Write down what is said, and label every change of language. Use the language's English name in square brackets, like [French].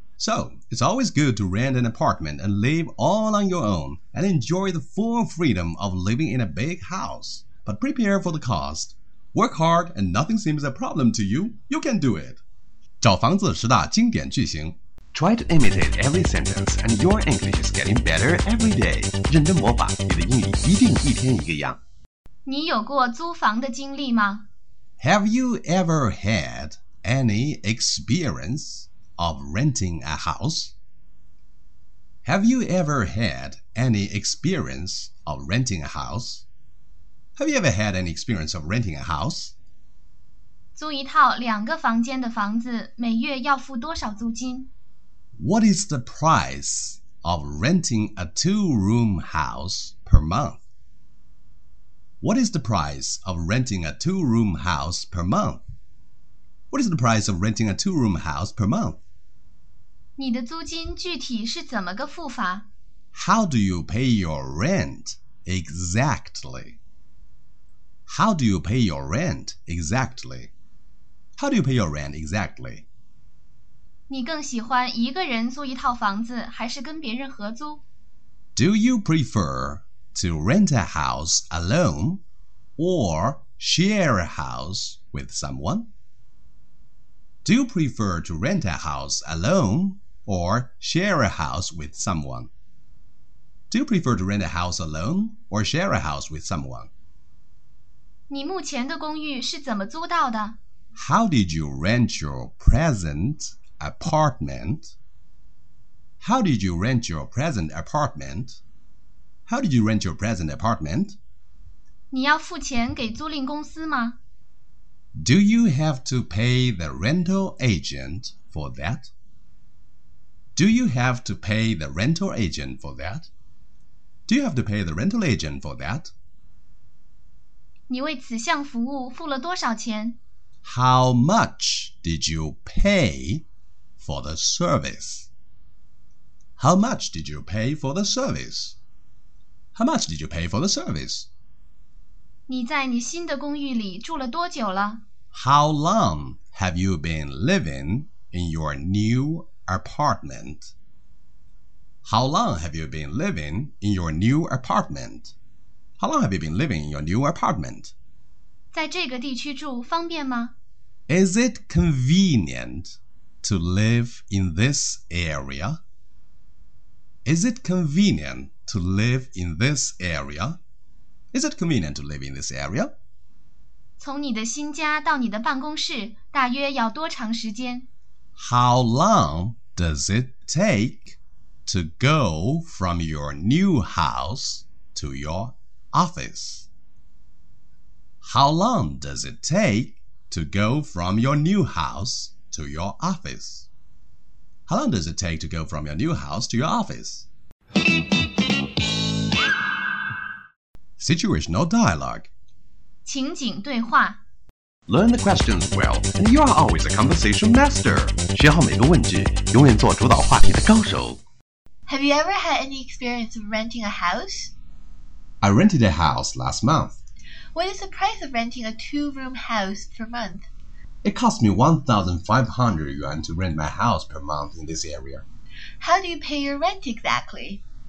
[English] So, it's always good to rent an apartment and live all on your own and enjoy the full freedom of living in a big house. But prepare for the cost. Work hard and nothing seems a problem to you. You can do it. [Chinese] 找房子十大经典句型。 [English] Try to imitate every sentence, and your English is getting better every day. [Chinese] 认真模仿，你的英语一定一天一个样。你有过租房的经历吗？ [English] Have you ever had any experience of renting a house? Have you ever had any experience of renting a house? Have you ever had any experience of renting a house? [Chinese] 租一套两个房间的房子，每月要付多少租金？ [English] What is the price of renting a two-room house per month? What is the price of renting a two-room house per month? What is the price of renting a two-room house per month? [Chinese] 你的租金具体是怎么个付法? [English] How do you pay your rent exactly? How do you pay your rent exactly? How do you pay your rent exactly? [Chinese] 你更喜欢一个人租一套房子还是跟别人合租? [English] Do you prefer to rent a house alone or share a house with someone? Do you prefer to rent a house alone or share a house with someone? Do you prefer to rent a house alone or share a house with someone? [Chinese] 你目前的公寓是怎么租到的？ [English] How did you rent your present apartment? How did you rent your present apartment? How did you rent your present apartment? [Chinese] 你要付钱给租赁公司吗？ [English] Do you have to pay the rental agent for that? Do you have to pay the rental agent for that? Do you have to pay the rental agent for that? [Chinese] 你为此项服务付了多少钱？ [English] How much did you pay for the service? How much did you pay for the service? How much did you pay for the service? [Chinese] 你在你新的公寓里住了多久了？ [English] How long have you been living in your new apartment? How long have you been living in your new apartment? How long have you been living in your new apartment? [Chinese] 在这个地区住方便吗？ [English] Is it convenient to live in this area? Is it convenient to live in this area? Is it convenient to live in this area? [Chinese] 从你的新家到你的办公室大约要多长时间？ [English] How long does it take to go from your new house to your office? How long does it take to go from your new house to your office? How long does it take to go from your new house to your office? Situational dialogue. [Chinese] 情景对话。 [English] Learn the questions well, and you are always a conversation master. [Chinese] 学好每个问句，永远做主导话题的高手。 [English] Have you ever had any experience of renting a house? I rented a house last month. What is the price of renting a two-room house per month? It cost me 1,500 yuan to rent my house per month in this area. How do you pay your rent exactly?